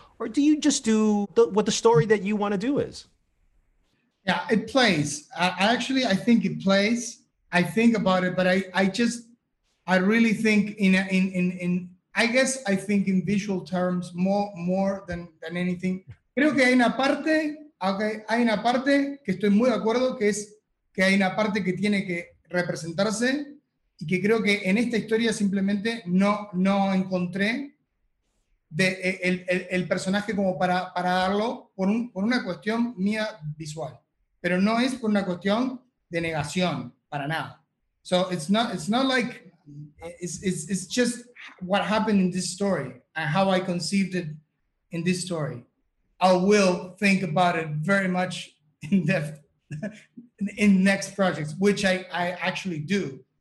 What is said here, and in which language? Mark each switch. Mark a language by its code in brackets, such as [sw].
[en] Or do you just do what the story that you want to do is? Yeah, it plays. I think it plays. I think about it, but I really think in visual terms more than anything. [es] Creo que hay una parte, hay una parte que estoy muy de acuerdo, que es que hay una parte que tiene que representarse y que creo que en esta historia simplemente no encontré de el personaje como para darlo por una cuestión mía visual, pero no es por una cuestión de negación para nada. [en] So it's not like it's just what happened in this story and how I conceived it in this story. I will think about it very much in depth in next projects, which I actually do.